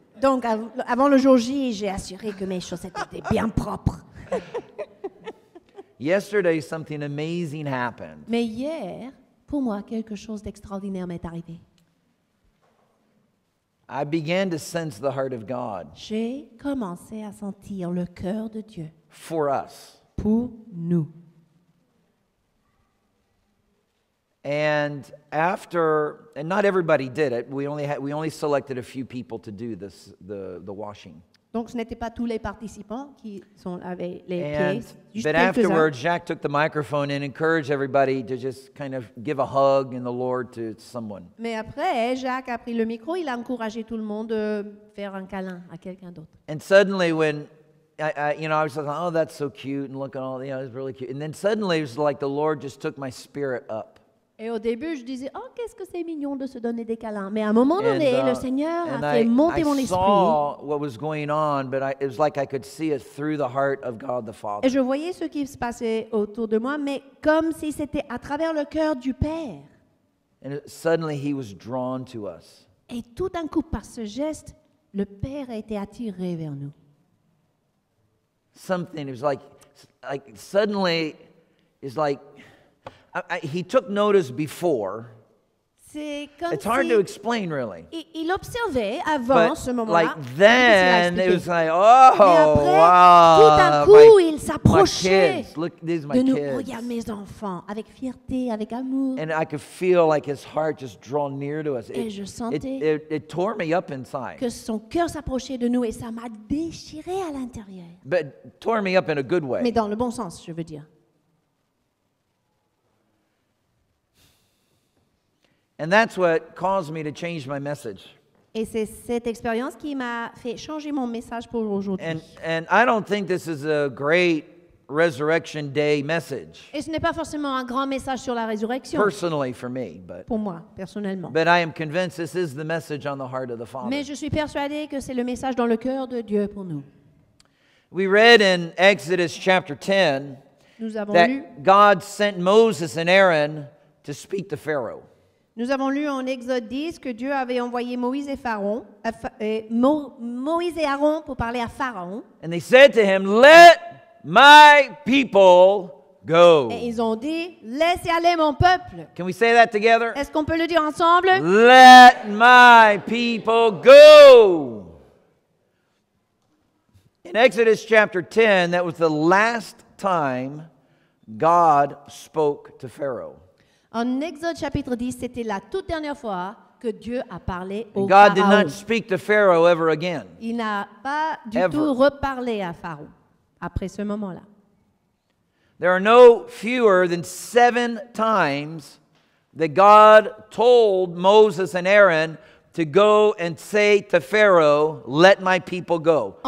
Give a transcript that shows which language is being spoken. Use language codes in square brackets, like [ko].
[fr] Donc, avant le jour J, j'ai assuré que mes chaussettes étaient bien propres. [en] Yesterday, something amazing happened. [fr] Mais hier, pour moi, quelque chose d'extraordinaire m'est arrivé. [en] I began to sense the heart of God. [fr] J'ai commencé à sentir le cœur de Dieu. [en] For us. [fr] Pour nous. [en] And after, and not everybody did it. We only selected a few people to do this, the washing. [fr] Donc ce n'étaient pas tous les participants qui sont avec les pieds. [en] But afterwards, Jacques took the microphone and encouraged everybody to just kind of give a hug in the Lord to someone. [fr] Mais après, Jacques a pris le micro, il a encouragé tout le monde de faire un câlin à quelqu'un d'autre. [en] And suddenly when I was like, oh, that's so cute, and look at all, you know, it's really cute. And then suddenly it was like the Lord just took my spirit up. [fr] Et au début, je disais, oh, qu'est-ce que c'est mignon de se donner des câlins. Mais à un moment donné, le Seigneur a fait monter mon esprit. [en] And I saw what was going on, but it was like I could see it through the heart of God the Father. [fr] Et je voyais ce qui se passait autour de moi, mais comme si c'était à travers le cœur du Père. [en] And suddenly he was drawn to us. [fr] Et tout d'un coup, par ce geste, le Père a été attiré vers nous. [en] Something, it was like suddenly, it's like... he took notice before. [fr] C'est comme [en] it's hard to explain, really. [fr] Il observait avant [en] but [fr] ce moment-là. [en] Like then, it was like, oh, [fr] après, [en] wow. [fr] Tout à coup, il s'approchait. [en] My kids, look, these are my [fr] de nous, [en] kids. [fr] Regarde mes enfants, avec fierté, avec amour. [en] And I could feel like his heart just draw near to us. [fr] Et je sentais [en] it tore me up inside. [fr] Que son cœur s'approchait de nous et ça m'a déchiré à l'intérieur. [en] But tore me up in a good way. [fr] Mais dans le bon sens, je veux dire. [en] And that's what caused me to change my message. [fr] Et c'est cette expérience qui m'a fait changer mon message pour aujourd'hui. [en] And I don't think this is a great resurrection day message. [fr] Et ce n'est pas forcément un grand message sur la résurrection. [en] Personally for me, but [fr] pour moi personnellement. [en] But I am convinced this is the message on the heart of the Father. [fr] Mais je suis persuadé que c'est le message dans le cœur de Dieu pour nous. [en] We read in Exodus chapter 10 [fr] nous avons [en] that [fr] lu [en] God sent Moses and Aaron to speak to Pharaoh. [fr] Nous avons lu en Exode 10 que Dieu avait envoyé Moïse et Pharaon, Moïse et Aaron pour parler à Pharaon. [en] And they said to him, "Let my people go." [fr] Et ils ont dit, "Laissez aller mon peuple." [en] Can we say that together? [fr] Est-ce qu'on peut le dire ensemble? [en] Let my people go. In Exodus chapter 10, that was the last time God spoke to Pharaoh. [fr] En Exode chapitre 10, c'était la toute dernière fois que Dieu a parlé au Pharaon. [en] God did not speak to Pharaoh ever again. [fr] Il n'a pas du tout reparlé à Pharaon après ce moment-là. [en] There are no fewer than 7 times that God told Moses and Aaron to go and say to Pharaoh, "Let my people go."